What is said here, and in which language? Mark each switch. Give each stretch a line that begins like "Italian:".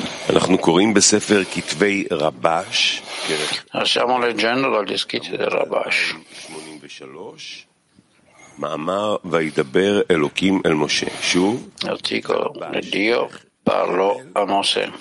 Hebrew: אנחנו קוראים בספר כתבי רבש.
Italian: Siamo leggendo dagli scritti del Rabash. 83.
Hebrew: מאמר וידבר אלוקים אל משה. שוב.
Italian: Articolo di Dio parlò a Mosè.